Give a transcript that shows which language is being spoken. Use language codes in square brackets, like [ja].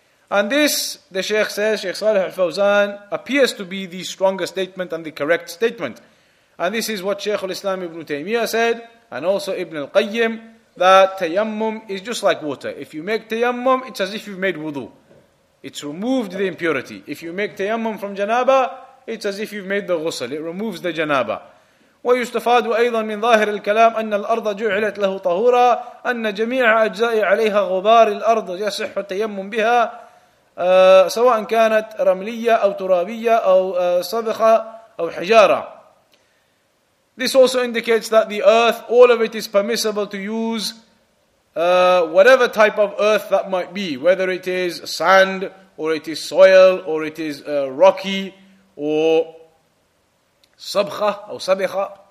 [en] And this, the Shaykh says, Shaykh Saleh Al-Fawzan, appears to be the stronger statement and the correct statement. And this is what Shaykh Al-Islam Ibn Taymiyyah said, and also Ibn Al-Qayyim, that tayammum is just like water. If you make tayammum, it's as if you've made wudu. It's removed the impurity. If you make tayammum from janaba, it's as if you've made the ghusl. It removes the janaba. [ar] ويستفاد أيضا من ظاهر الكلام أن الأرض جعلت له طهورا أن جميع أجزاء عليها غبار الأرض يصح التيمم بها سواء كانت رملية أو ترابية أو صبخة أو حجارة. [en] This also indicates that the earth, all of it is permissible to use, whatever type of earth that might be, whether it is sand or it is soil or it is rocky or [ar] صبخة أو صبخة.